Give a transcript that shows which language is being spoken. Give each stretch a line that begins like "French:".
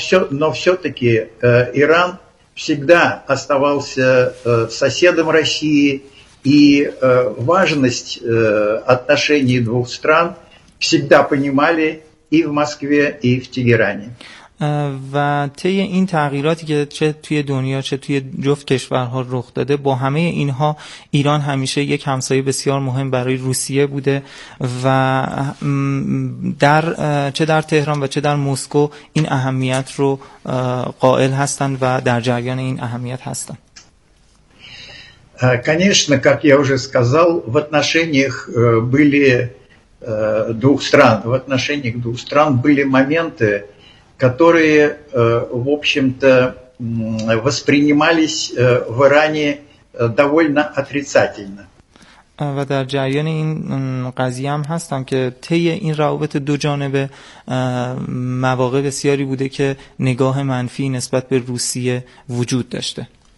Russian: Но все-таки Иран всегда оставался соседом России, и важность отношений двух стран всегда понимали и в Москве, и в Тегеране.
Persian: و طی این تغییراتی که چه توی دنیا چه توی جفت کشورها رخ داده با همه اینها ایران همیشه یک همسایه بسیار مهم برای روسیه بوده و در چه در تهران و چه در موسکو این اهمیت رو قائل هستند و در جریان این اهمیت هستند.
Russian: Конечно, как я уже сказал, в отношениях были двух стран, в отношениях двух стран были моменты, которые, в общем-то, воспринимались в Иране довольно отрицательно.
Persian: و در جریان این قضیه هم هستم که طی این روابط دو جانبه مواقع بسیاری بوده که نگاه منفی نسبت به روسیه وجود داشته.